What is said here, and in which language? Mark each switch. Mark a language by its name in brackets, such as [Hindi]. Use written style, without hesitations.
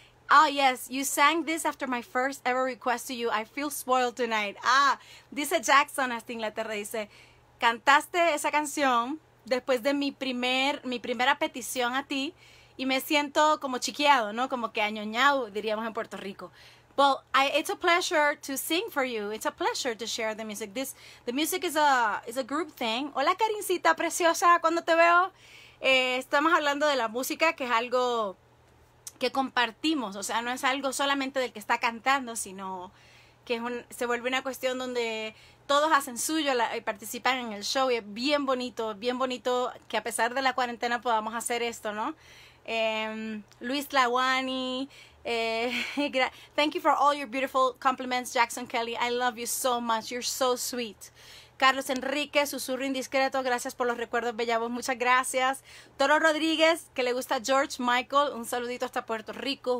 [English] Oh, yes, you sang this after my first ever request to you. I feel spoiled tonight. [Spanish] Ah, dice Jackson, hasta Inglaterra, dice, cantaste esa canción después de mi primera petición a ti y me siento como chiqueado, ¿no? Como que añoñado, diríamos en Puerto Rico. [English] Well, it's a pleasure to sing for you. It's a pleasure to share the music. The music is a group thing. [Spanish] Hola, Karincita, preciosa, cuando te veo. Estamos hablando de la música, que es algo que compartimos, o sea, no es algo solamente del que está cantando, sino que se vuelve una cuestión donde todos hacen suyo y participan en el show, y es bien bonito que a pesar de la cuarentena podamos hacer esto, ¿no? [English] Luis Lawani, thank you for all your beautiful compliments, Jackson Kelly, I love you so much, you're so sweet. [Spanish] Carlos Enrique, Susurro Indiscreto, gracias por los recuerdos, bella voz, muchas gracias. Toro Rodríguez, que le gusta George Michael, un saludito hasta Puerto Rico.